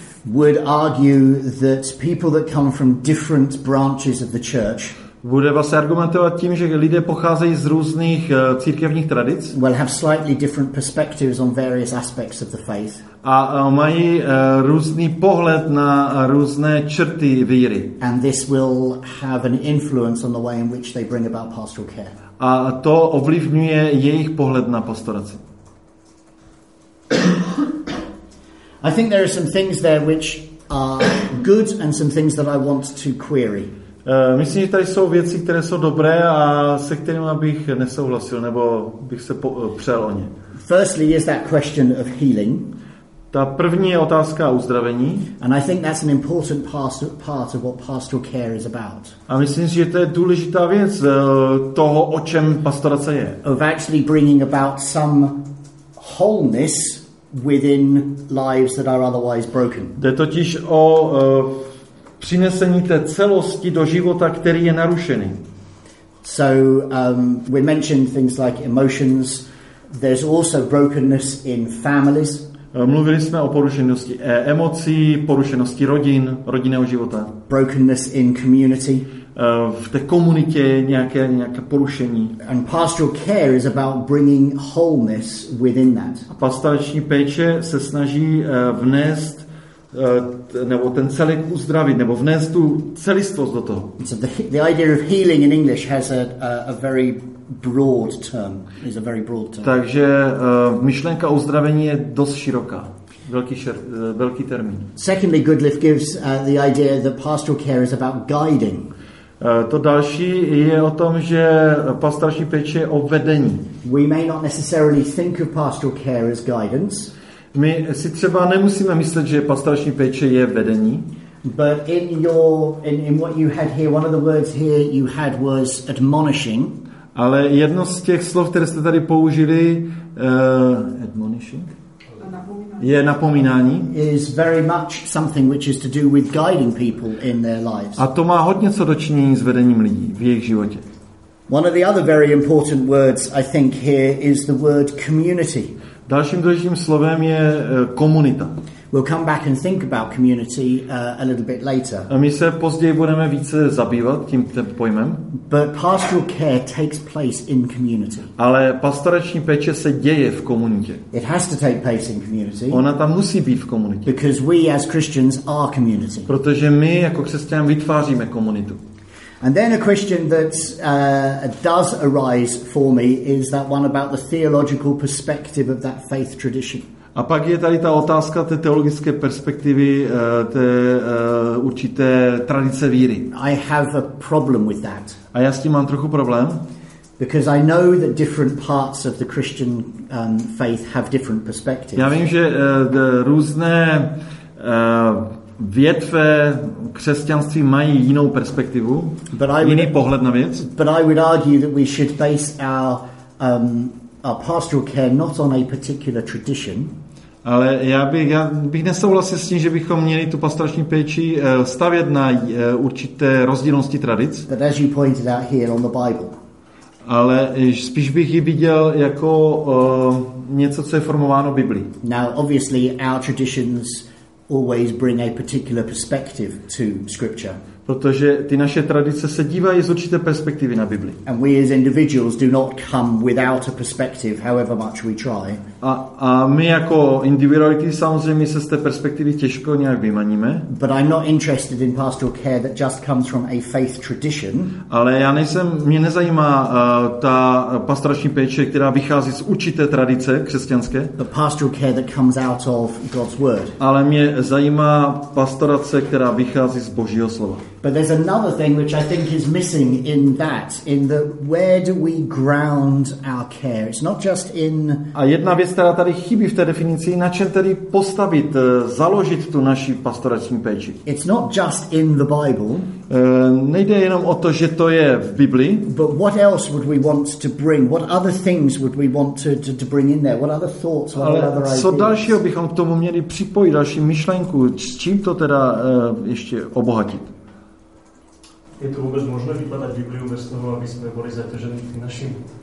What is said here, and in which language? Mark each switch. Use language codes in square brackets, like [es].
[en] would argue that people that come from different branches of the church [cs] bude vás argumentovat tím, že lidé pocházejí z různých církevních tradic [en] will have slightly different perspectives on various aspects of the faith [cs] a mají různý pohled na různé črty víry [en] and this will have an influence on the way in which they bring about pastoral care [cs] a to ovlivňuje jejich pohled na pastoraci. [en] I think there are some things there which are good and some things that I want to query. [cs] Myslím, že tady jsou věci, které jsou dobré a se kterými bych nesouhlasil nebo bych se přel o ně. [en] Firstly is that question of healing. [cs] Ta první je otázka uzdravení. [en] And I think that's an important part of what pastoral care is about. [cs] A myslím, že to je důležitá věc toho, o čem pastorace je. [en] Of actually bringing about some wholeness within lives that are otherwise broken. [cs] Jde totiž o přinesení té celosti do života, který je narušený. [en] So we mentioned things like emotions. There's also brokenness in families. [cs] Mluvili jsme o porušenosti emocí, porušenosti rodin, rodinného života. [en] Brokenness in community. [cs] V té komunitě nějaké porušení. [en] And pastoral care is about bringing wholeness within that. [cs] A pastorační péče se snaží vnést nebo ten celek uzdravit nebo vnést tu celistvost do toho. [en] So the idea of healing in English has a very broad term. Is a very broad term. [cs] Takže myšlenka uzdravení je dost široká. Velký termín. [en] Secondly, Goodliffe gives the idea that pastoral care is about guiding. [cs] To další je o tom, že pastorační péče je o vedení. [en] We may not necessarily think of pastoral care as guidance. [cs] My si třeba nemusíme myslet, že pastorační péče je vedení. [en] But in your in what you had here, one of the words here you had was admonishing. [cs] Ale jedno z těch slov, které jste tady použili, [en] admonishing. [cs] Je napomínání. [en] Is very much something which is to do with guiding people in their lives. [cs] A to má hodně co dočinění s vedením lidí v jejich životě. [en] One of the other very important words I think here is the word community. [cs] Dalším důležitým slovem je komunita. [en] We'll come back and think about community a little bit later. [cs] A my se později budeme více zabývat tím pojmem. [en] But pastoral care takes place in community. [cs] Ale pastorační péče se děje v komunitě. [en] It has to take place in community. [cs] Ona tam musí být v komunitě. [en] Because we as Christians are community. [cs] Protože my jako křesťané vytváříme komunitu. [en] And then a question that does arise for me is that one about the theological perspective of that faith tradition. [cs] A pak je tady ta otázka té teologické perspektivy té určité tradice víry. [en] I have a problem with that. [cs] A já s tím mám trochu problém. [en] Because I know that different parts of the Christian faith have different perspectives. [cs] Já vím, že různé větve křesťanství mají jinou perspektivu, jiný pohled na věc. [en] But I would argue that we should base our pastoral care not on a particular tradition. [cs] Ale já bych nesouhlasil s tím, že bychom měli tu pastorační péči stavět na určité rozdílnosti tradic. [en] But as you pointed out here on the Bible. [cs] Ale spíš bych ji viděl jako něco, co je formováno Biblí. [en] Now obviously our traditions always bring a particular perspective to scripture. [cs] Protože ty naše tradice se dívají z určité perspektivy na Bibli. [en] And we as individuals do not come without a perspective, however much we try. [cs] A my jako individuality samozřejmě se z té perspektivy těžko nějak vymaníme. [en] But I'm not interested in pastoral care that just comes from a faith tradition. [cs] Ale já nejsem, mě nezajímá ta pastorační péče, která vychází z určité tradice křesťanské. [en] But pastoral care that comes out of God's word. [cs] Ale mě zajímá pastorace, která vychází z Božího slova. [en] But there's another thing which I think is missing in that, in the where do we ground our care? It's not just in. [cs] A jedna věc, která tady chybí v té definici, na čem tedy postavit, založit tu naši pastorační péči. [en] It's not just in the Bible. [cs] Nejde jenom o to, že to je v Biblii. [en] But what else would we want to bring? What other things would we want to bring in there? What other thoughts? What other ideas? [cs] Co dalšího bychom k tomu měli připojit, další myšlenku, s čím to teda ještě obohatit? [sk] Je to vůbec možné vykládat Bibliu bez toho, aby jsme byli zatěženi naším?